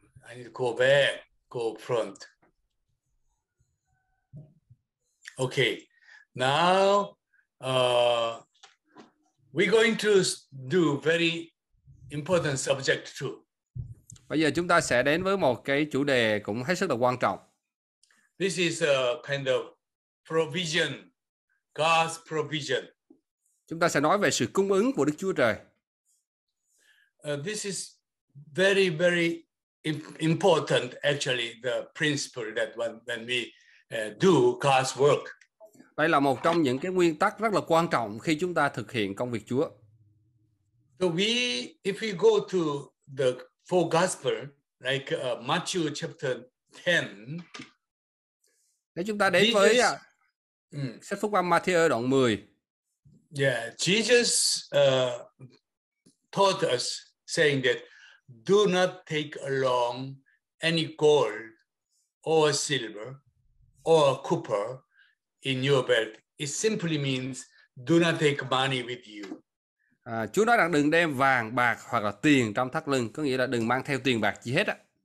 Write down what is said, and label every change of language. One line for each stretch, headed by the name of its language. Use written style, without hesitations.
English: I need to go back, go front. Okay, now we're going to do very important subject too.
Vietnamese: Bây giờ chúng ta sẽ đến với một cái chủ đề cũng hết sức là quan trọng.
English: This is a kind of provision, God's provision.
Vietnamese: Chúng ta sẽ nói về sự cung ứng của Đức Chúa Trời.
English: This is very, very important, actually, the principle that when we do God's work.
Vietnamese: Đây là một trong những cái nguyên tắc rất là quan trọng khi chúng ta thực hiện công việc Chúa.
English: So if we go to the four gospel, like Matthew chapter 10.
Vietnamese: Nếu chúng ta đến Jesus, với sách Phúc Âm Matthew đoạn 10.
English: Yeah, Jesus taught us saying that do not take along any gold or silver or copper in your belt. It simply means do not take money with you.
Vietnamese: Chúa nói rằng đừng đem vàng, bạc hoặc là tiền trong thắt lưng, có nghĩa là đừng mang theo tiền bạc gì hết á.